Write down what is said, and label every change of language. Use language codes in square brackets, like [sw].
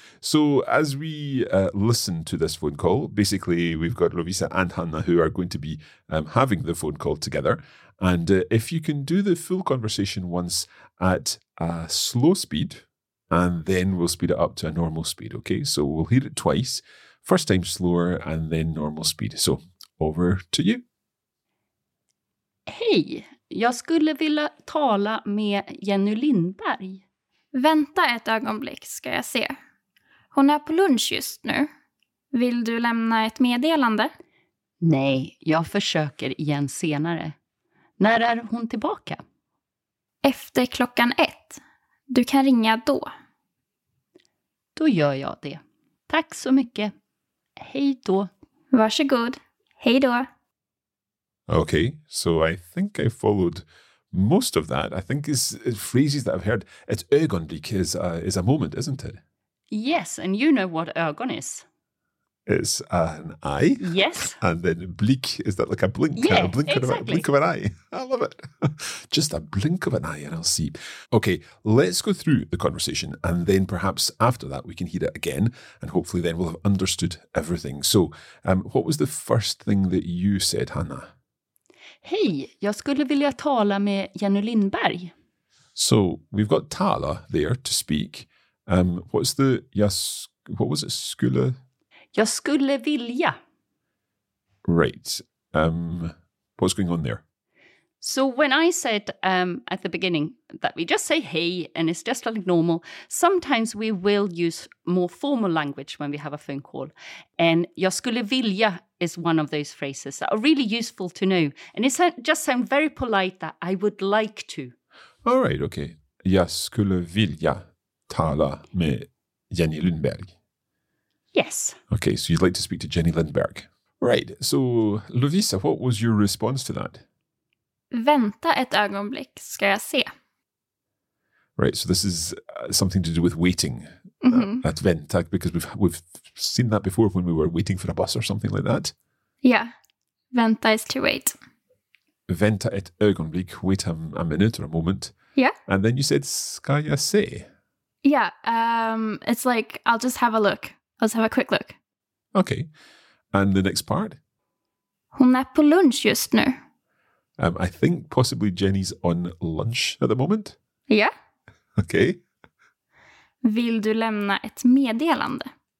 [en] So as we listen to this phone call, basically we've got Lovisa and Hanna who are going to be having the phone call together. And if you can do the full conversation once at a slow speed, and then we'll speed it up to a normal speed. Okay. So we'll hear it twice. First time slower and then normal speed. So over to you. [sv] Hej, jag skulle vilja tala med Jenny Lindberg. Vänta ett ögonblick, ska jag se. Hon är på lunch just nu. Vill du lämna ett meddelande? Nej, jag försöker igen senare. När är hon tillbaka? Efter klockan 1. Du kan ringa då. Då gör jag det. Tack så mycket. Hej då. Varsågod. Hej då. [en] Okay, so I think I followed most of that. I think it's phrases that I've heard. It's ögonblick is a moment, isn't it? Yes, and you know what ögon is. It's an eye. Yes. And then blick, is that like a blink? Yeah, a blink, exactly. A blink of an eye. I love it. Just a blink of an eye and I'll see. Okay, let's go through the conversation and then perhaps after that we can hear it again and hopefully then we'll have understood everything. So what was the first thing that you said, Hannah? [sv] Hej, jag skulle vilja tala med Jenny Lindberg. [en] So we've got tala there to speak. What's the, what was it, skulle? [sv] Jag skulle vilja. [en] Right. What's going on there? So when I said at the beginning that we just say hey and it's just like normal, sometimes we will use more formal language when we have a phone call. And [sv] jag skulle vilja [en] is one of those phrases that are really useful to know. And it just sounds very polite that I would like to. All right, okay. [sv] Jag skulle vilja tala med Jenny Lundberg. [en] Yes. Okay, so you'd like to speak to Jenny Lindberg. Right, so Lovisa, what was your response to that? [sv] Vänta ett ögonblick, ska jag se. [en] Right, so this is something to do with waiting. Mm-hmm. At vänta, because we've seen that before when we were waiting for a bus or something like that. Yeah, vänta is to wait. [sv] Vänta ett ögonblick, [en] wait a minute or a moment. Yeah. And then you said, [sv] ska jag se. [en] Yeah, it's like, I'll just have a look. Let's have a quick look. Okay. And the next part? [sv] Hon är på lunch just nu. [en] I think possibly Jenny's on lunch at the moment. Yeah. Okay. [sv] Vill du lämna ett meddelande?